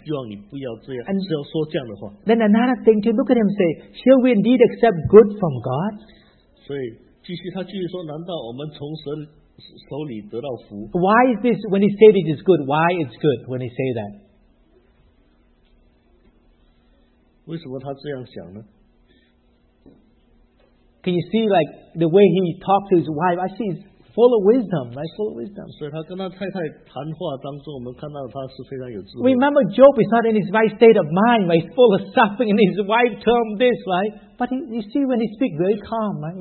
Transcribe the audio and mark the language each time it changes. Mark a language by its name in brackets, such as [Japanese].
[Chinese] 所以他这样说，你说话像个愚昧愚顽的妇人一样，就是说你不是一个愚顽的妇人，但是你却这样讲话，希望你不要这样，只要说这样的话。 [English] Then another thing to look at him and say, shall we indeed accept good from God? [Chinese] 所以继续他继续说，难道我们从神 [English] Why is this when he said it is good? Why it's good when he say that? [Chinese] 为什么他这样想呢? [English] Can you see like the way he talked to his wife? I see he's full of wisdom, right? Full of wisdom. [Chinese] 所以他跟他太太谈话当中，我们看到他是非常有智慧。 [English] Remember, Job is not in his right state of mind, right? He's full of suffering, and his wife termed this, right? But you see when he speaks, very calm, right?